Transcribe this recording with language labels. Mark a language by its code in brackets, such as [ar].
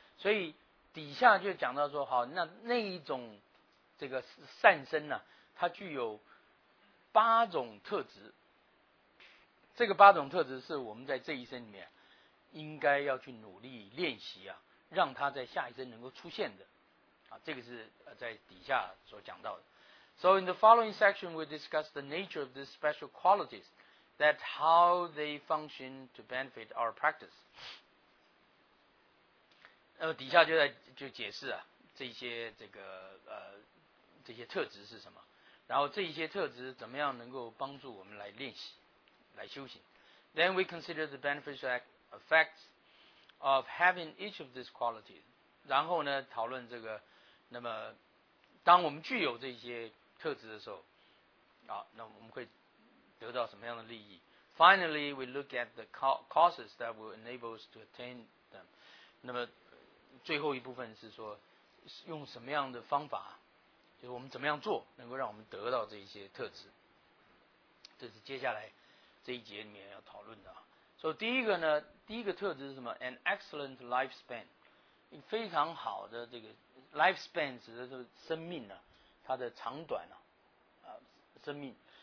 [zh] 所以底下就讲到说，好，那一种这个善生呢、啊、它具有八种特质，这个八种特质是我们在这一生里面应该要去努力练习啊，让它在下一生能够出现的啊，这个是在底下所讲到的。 [en] So in the following section we discuss the nature of these special qualities, that how they function to benefit our practice. [zh] 底下就在就解释啊，这些这个这些特质是什么，然后这些特质怎么样能够帮助我们来练习来修行。 [en] Then we consider the beneficial effects of having each of these qualities. [zh] 然后呢讨论这个，那么当我们具有这些特质的时候啊，那我们会得到什么样的利益。 [en] Finally, we look at the causes that will enable us to attain them. [zh] 那么最后一部分是说用什么样的方法，就是我们怎么样做能够让我们得到这些特质，这是接下来这一节里面要讨论的。所以、so, 第一个呢，第一个特质是什么， [en] An excellent lifespan， [zh] 非常好的这个lifespan 指的是生命啊，它的长短啊，生命。